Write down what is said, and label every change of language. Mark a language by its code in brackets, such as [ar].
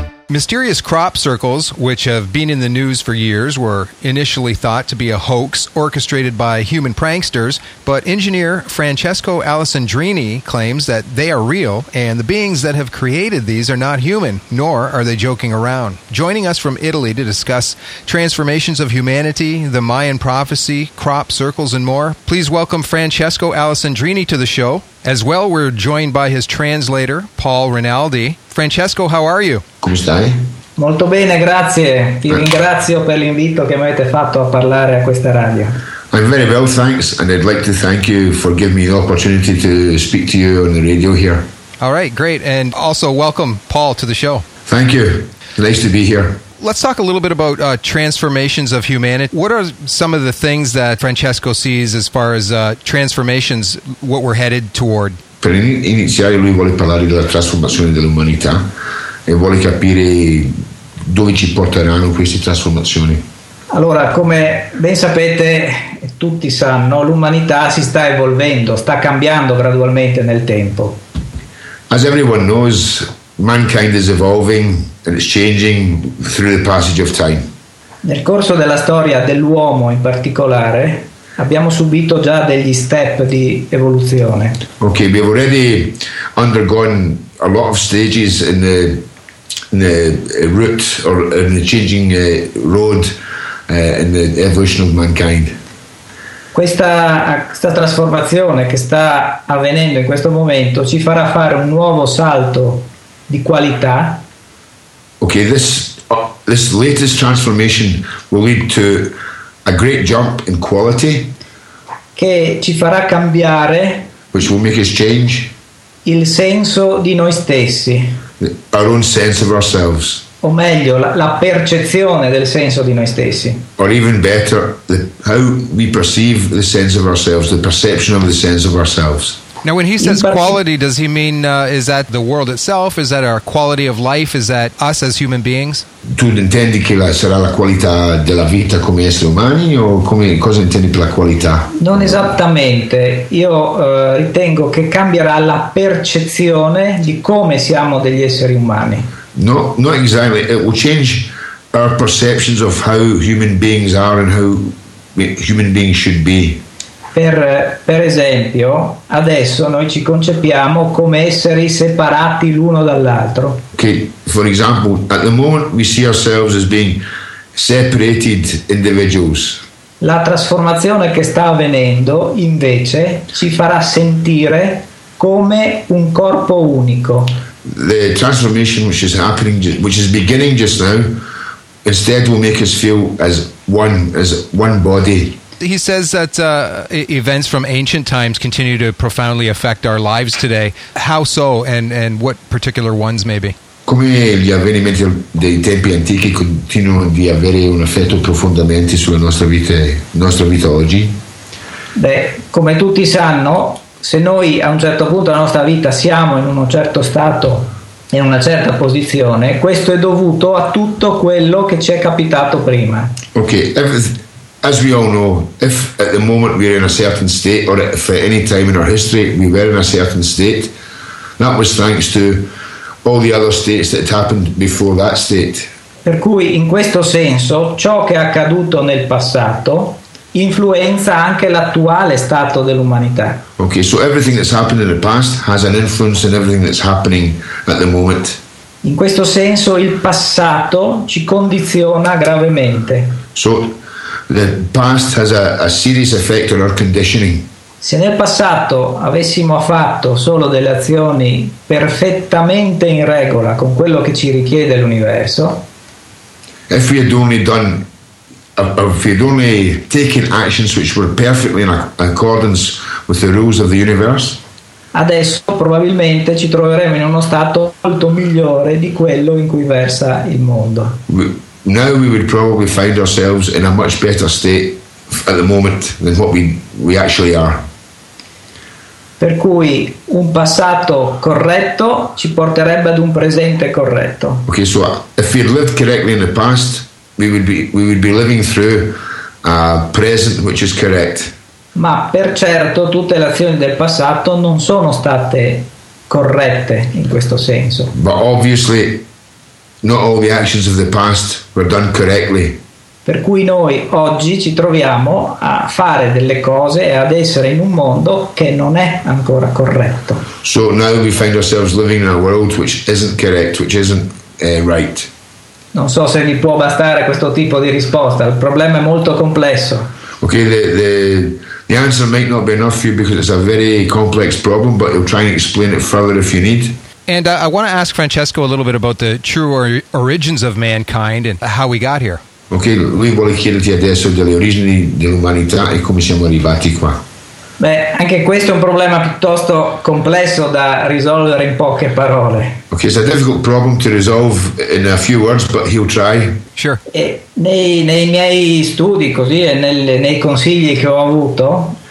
[en] Mysterious crop circles, which have been in the news for years, were initially thought to be a hoax orchestrated by human pranksters, but engineer Francesco Alessandrini claims that they are real, and the beings that have created these are not human, nor are they joking around. Joining us from Italy to discuss transformations of humanity, the Mayan prophecy, crop circles, and more, please welcome Francesco Alessandrini to the show. As well, we're joined by his translator, Paul Rinaldi. Francesco, how are you? [it] Come stai? Molto bene, grazie. Ti ringrazio per l'invito che mi avete fatto a parlare a questa radio. [en] I'm very well, thanks, and I'd like to thank you for giving me the opportunity to speak to you on the radio here. All right, great. And also welcome, Paul, to the show. Thank you. Nice to be here. Let's talk a little bit about transformations of humanity. What are some of the things that Francesco sees as far as transformations, what we're headed toward? [it] Per iniziare, lui vuole parlare della trasformazione dell'umanità e vuole capire dove ci porteranno queste trasformazioni. Allora, come ben sapete, tutti sanno, l'umanità si sta evolvendo, sta cambiando gradualmente nel tempo. [en] As everyone knows, mankind is evolving and it's changing through the passage of time. [it] Nel corso della storia dell'uomo in particolare, abbiamo subito già degli step di evoluzione. [en] Okay, we've already undergone a lot of stages in the evolution of mankind. [it] Questa trasformazione che sta avvenendo in questo momento ci farà fare un nuovo salto di qualità. [en] Okay, this latest transformation will lead to a great jump in quality. [it] Che ci farà cambiare, [en] which will make us change, [it] il senso di noi stessi, [en] our own sense of ourselves, [it] o meglio la percezione del senso di noi stessi, [en] or even better, how we perceive the sense of ourselves, the perception of the sense of ourselves. Now, when he says quality, does he mean is that the world itself? Is that our quality of life? Is that us as human beings? [it] Tu intendi che sarà la qualità della vita come esseri umani o come cosa intendi per la qualità? Non esattamente. Io ritengo che cambierà la percezione di come siamo degli esseri umani. [en] No, not exactly. It will change our perceptions of how human beings are and how human beings should be. [it] Per esempio, adesso noi ci concepiamo come esseri separati l'uno dall'altro. [en] Okay, for example, at the moment we see ourselves as being separated individuals. [it] La trasformazione che sta avvenendo, invece, ci farà sentire come un corpo unico. [en] The transformation which is happening, which is beginning just now, instead will make us feel as one body. He says that events from ancient times continue to profoundly affect our lives today. How so, and what particular ones maybe? [it] Come gli avvenimenti dei tempi antichi continuano di avere un effetto profondamente sulla nostra vita oggi? Beh, come tutti sanno, se noi a un certo punto della nostra vita siamo in uno certo stato, in una certa posizione, questo è dovuto a tutto quello che ci è capitato prima. [en] Ok, as we all know, if at the moment we're in a certain state, or if at any time in our history we were in a certain state, that was thanks to all the other states that had happened before that state. [it] Per cui, in questo senso, ciò che è accaduto nel passato influenza anche l'attuale stato dell'umanità. [en] Okay, so everything that's happened in the past has an influence in everything that's happening at the moment. [it] In questo senso, il passato ci condiziona gravemente. [en] So the past has a serious effect on our conditioning. [it] Se nel passato avessimo fatto solo delle azioni perfettamente in regola con quello che ci richiede l'universo, [en] if we had only done, if we had only taken actions which were perfectly in accordance with the rules of the universe, [it] adesso probabilmente ci troveremo in uno stato molto migliore di quello in cui versa il mondo. [en] Now we would probably find ourselves in a much better state at the moment than what we actually are. [it] Per cui un passato corretto ci porterebbe ad un presente corretto. [en] Okay, so if we had lived correctly in the past, we would be living through a present which is correct. [it] Ma per certo tutte le azioni del passato non sono state corrette in questo senso. [en] But obviously not all the actions of the past were done correctly. [it] Per cui noi oggi ci troviamo a fare delle cose e ad essere in un mondo che non è ancora corretto. [en] So now we find ourselves living in a world which isn't correct, which isn't right. [it] Non so se vi può bastare questo tipo di risposta, il problema è molto complesso. [en] Okay, the answer might not be enough for you because it's a very complex problem, but I'll try and explain it further if you need. And I want to ask Francesco a little bit about the true origins of mankind and how we got here. [it] Ok, lui vuole chiederti adesso delle origini dell'umanità e come siamo arrivati qua. Beh, anche questo è un problema piuttosto complesso da risolvere in poche parole. [en] Ok, it's a difficult problem to resolve in a few words, but he'll try. Sure. [it] E nei miei studi, così, e nei consigli che ho avuto.